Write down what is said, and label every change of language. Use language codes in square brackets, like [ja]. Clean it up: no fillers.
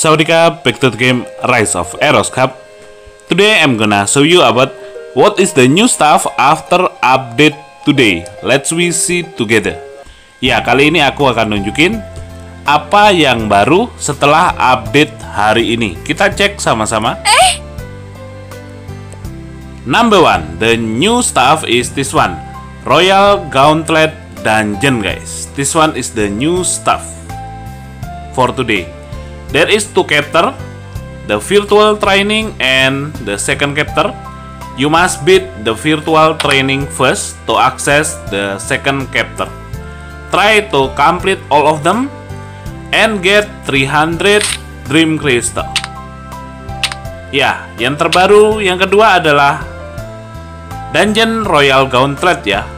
[en] Sawadikap, back to the game Rise of Eros Cup. Today I'm gonna show you about what is the new stuff after update today. Let's we see together. [id] Ya, kali ini aku akan nunjukin apa yang baru setelah update hari ini. Kita cek sama-sama. [en] Number one, the new stuff is this one, Royal Gauntlet Dungeon guys. This one is the new stuff for today. There is two chapter, the virtual training and the second chapter. You must beat the virtual training first to access the second chapter. Try to complete all of them and get 300 dream crystal. [id] Ya, yang terbaru yang kedua adalah Dungeon Royal Gauntlet ya.